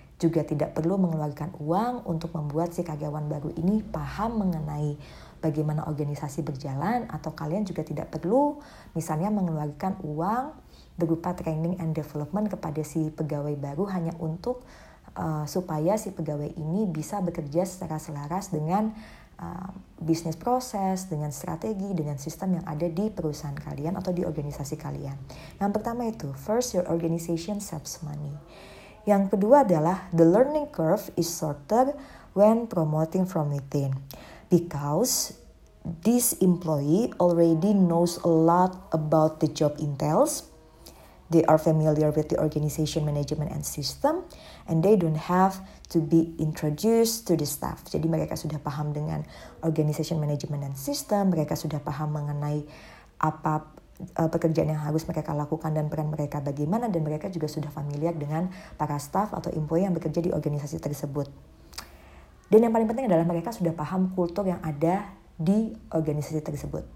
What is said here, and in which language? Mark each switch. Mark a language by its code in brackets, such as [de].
[id] juga tidak perlu mengeluarkan uang untuk membuat si karyawan baru ini paham mengenai bagaimana organisasi berjalan, atau kalian juga tidak perlu misalnya mengeluarkan uang berupa training and development kepada si pegawai baru hanya untuk supaya si pegawai ini bisa bekerja secara selaras dengan bisnis proses, dengan strategi, dengan sistem yang ada di perusahaan kalian atau di organisasi kalian. Yang pertama itu, [en] first, your organization saves money. [id] Yang kedua adalah, [en] the learning curve is shorter when promoting from within, because this employee already knows a lot about the job entails. They are familiar with the organization management and system, and they don't have to be introduced to the staff. [id] Jadi mereka sudah paham dengan [en] organization management and system, [id] mereka sudah paham mengenai apa pekerjaan yang harus mereka lakukan dan peran mereka bagaimana, dan mereka juga sudah familiar dengan para staff atau employee yang bekerja di organisasi tersebut. Dan yang paling penting adalah mereka sudah paham kultur yang ada di organisasi tersebut.